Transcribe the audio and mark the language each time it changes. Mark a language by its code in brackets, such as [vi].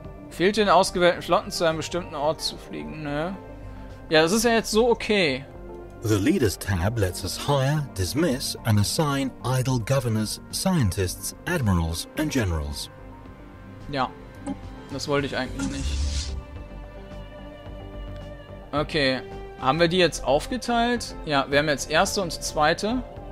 [de] Fehlt den ausgewählten Flotten zu einem bestimmten Ort zu fliegen, ne? Ja, das ist ja jetzt so okay. [en] The Leaders tab lets us hire, dismiss, and assign idle governors, scientists, admirals, and generals. [de] Ja, das wollte ich eigentlich nicht. Okay, haben wir die jetzt aufgeteilt? Ja, wir haben jetzt erste und zweite.